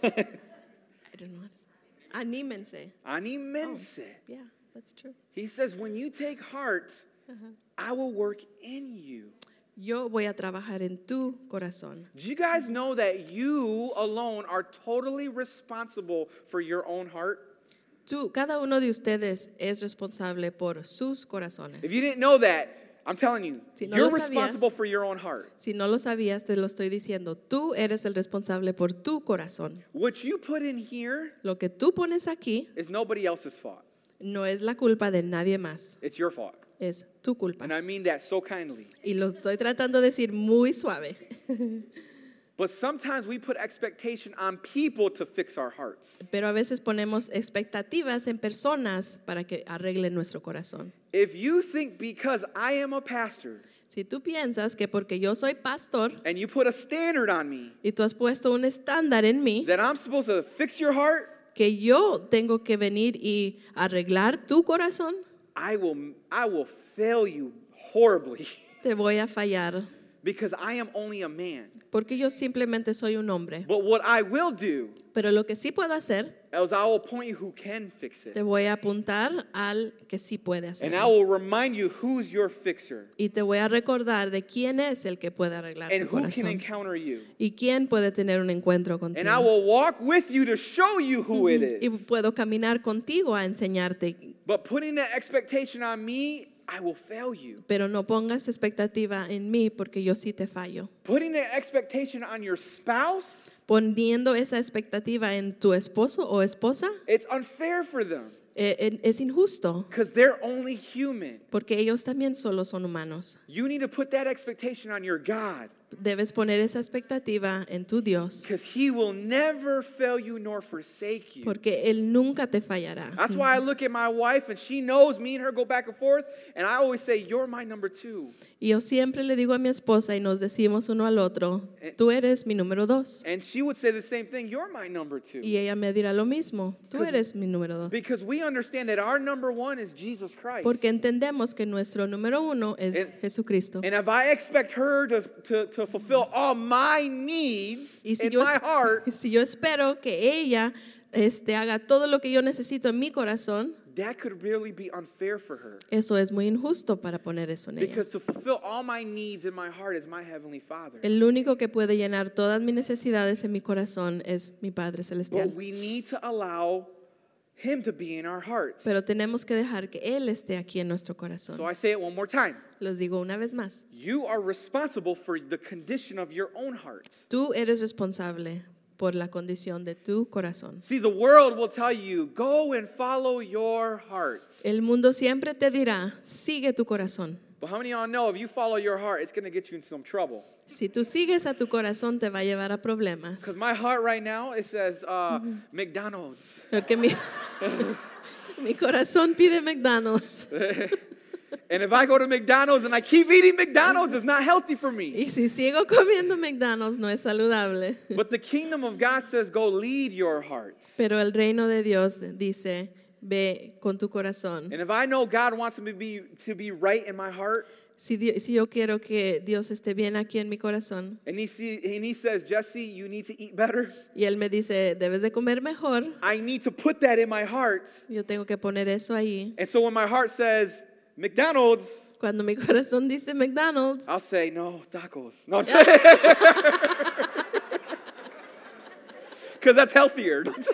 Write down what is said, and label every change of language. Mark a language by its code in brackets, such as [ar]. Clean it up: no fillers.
[en] I don't know. [es] Anímense. Anímense. Oh, [en] yeah, that's true. He says, when you take heart, I will work in you. [es] Yo voy a trabajar en tu corazón. [en] Do you guys know that you alone are totally responsible for your own heart? [es] Tú, cada uno de ustedes es responsable por sus corazones. [en] If you didn't know that, I'm telling you, [es] si no [en] you're [es] sabías, [en] responsible for your own heart. [es] Si no lo sabías, te lo estoy diciendo. Tú eres el responsable por tu corazón. [en] What you put in here, [es] lo que tú pones aquí, [en] is nobody else's fault. [es] No es la culpa de nadie más. [en] It's your fault. [es] Es tu culpa. [en] And I mean that so kindly. [es] Y lo estoy tratando de decir muy suave. [en] But sometimes we put expectation on people to fix our hearts. [es] Pero a veces ponemos expectativas en personas para que arreglen nuestro corazón. [en] If you think because I am a pastor, [es] si tú piensas que porque yo soy pastor, [en] and you put a standard on me, [es] y tú has puesto un estándar en mí, [en] that I'm supposed to fix your heart, [es] que yo tengo que venir y arreglar tu corazón, [en] I will fail you horribly. [es] Te voy a fallar. [en] Because I am only a man. [es] Porque yo simplemente soy un hombre. [en] But what I will do. [es] Pero lo que sí puedo hacer. [en] Is I will point you who can fix it. [es] Te voy a apuntar al que sí puede hacerlo. [en] And I will remind you who's your fixer. [es] Y te voy a recordar de quién es el que puede arreglar [en] and [es] tu corazón. [en] And who can encounter you. [es] Y quién puede tener un encuentro contigo. [en] And I will walk with you to show you who it is. [es] Y puedo caminar contigo a enseñarte. [en] But putting that expectation on me. I will fail you. [es] Pero no pongas expectativa en mí porque yo sí te fallo. [en] Putting an expectation on your spouse. [es] Poniendo esa expectativa en tu esposo o esposa. [en] It's unfair for them. [es] Es injusto. [en] Because they're only human. [es] Porque ellos también solo son humanos. [en] You need to put that expectation on your God. [es] Debes poner esa expectativa en tu Dios. [en] Because he will never fail you nor forsake you. [es] Porque él nunca te fallará. [en] That's why I look at my wife and she knows me and her go back and forth and I always say, you're my number two. [es] Y yo siempre le digo a mi esposa y nos decimos uno al otro, tú eres mi número dos. [en] And she would say the same thing, you're my number two. [es] Y ella me dirá lo mismo, tú eres mi número dos. [en] Because we understand that our number one is Jesus Christ. [es] Porque entendemos que nuestro número uno es Jesucristo. [en] And if I expect her to fulfill all my needs in my heart. [es] Si yo espero que ella haga todo lo que yo necesito en mi corazón. [en] That could really be unfair for her. [es] Eso es muy injusto para poner eso en ella. [en] Because to fulfill all my needs in my heart is my heavenly Father. [es] El único que puede llenar todas mis necesidades en mi corazón es mi Padre celestial. [en] But we need to allow him to be in our hearts. [es] Pero tenemos que dejar que él esté aquí en nuestro corazón. [en] So I say it one more time. [es] Los digo una vez más. [en] You are responsible for the condition of your own heart. [es] Tú eres responsable por la condición de tu corazón. [en] See, the world will tell you, go and follow your heart. [es] El mundo siempre te dirá, sigue tu corazón. [en] But how many of y'all know if you follow your heart, it's going to get you in some trouble? [es] Si tú sigues a tu corazón, te va a llevar a problemas. [en] Because my heart right now, it says McDonald's. [es] Porque mi corazón pide McDonald's. [en] And if I go to McDonald's and I keep eating McDonald's, it's not healthy for me. [es] Y si sigo comiendo McDonald's, no es saludable. [en] But the kingdom of God says, go lead your heart. [es] Pero el reino de Dios dice, ve con tu corazón. [en] And if I know God wants me to be right in my heart, [es] si yo quiero que Dios esté bien aquí en mi corazón, [en] and he says, Jesse, you need to eat better, [es] y él me dice, debes de comer mejor, [en] I need to put that in my heart. [es] Yo tengo que poner eso ahí. [en] And so when my heart says, McDonald's, [es] cuando mi corazón dice McDonald's, [en] I'll say, no, tacos. No, because that's healthier.